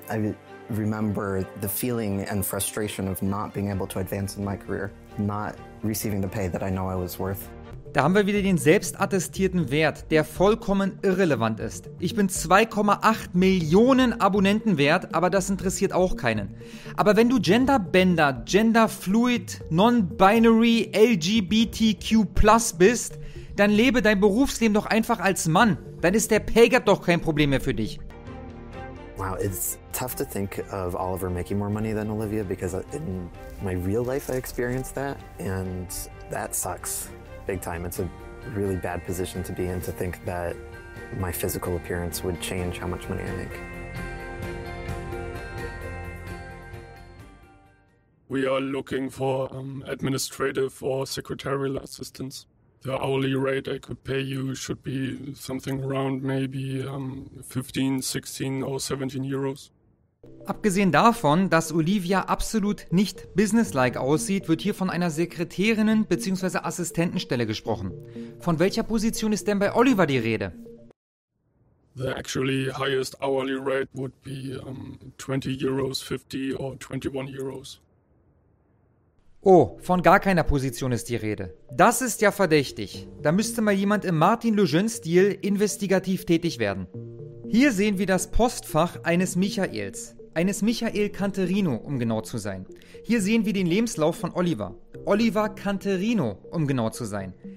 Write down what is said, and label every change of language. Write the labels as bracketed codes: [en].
[en] I remember the feeling and frustration of not being able to advance in my career, not receiving the pay that I know I was worth. [de] Da haben wir wieder den selbstattestierten Wert, der vollkommen irrelevant ist. Ich bin 2,8 Millionen Abonnenten wert, aber das interessiert auch keinen. Aber wenn du Genderbender, Genderfluid, Non-Binary, LGBTQ+ bist, dann lebe dein Berufsleben doch einfach als Mann. Dann ist der Pay Gap doch kein Problem mehr für dich. [en] Wow, it's tough to think of Oliver making more money than Olivia, because in my real life I experienced that and that sucks. Big time. It's a really bad position to be in, to think that my physical appearance would change how much money I make. We are looking for administrative or secretarial assistance. The hourly rate I could pay you should be something around maybe 15, 16 or 17 euros. [de] Abgesehen davon, dass Olivia absolut nicht businesslike aussieht, wird hier von einer Sekretärinnen- bzw. Assistentenstelle gesprochen. Von welcher Position ist denn bei Oliver die Rede? [en] The actually highest hourly rate would be 20 euros 50 or 21 euros. [de] Oh, von gar keiner Position ist die Rede. Das ist ja verdächtig. Da müsste mal jemand im Martin Lejeune-Stil investigativ tätig werden. Hier sehen wir das Postfach eines Michaels. Eines Michael Canterino, um genau zu sein. Hier sehen wir den Lebenslauf von Oliver. Oliver Canterino, um genau zu sein.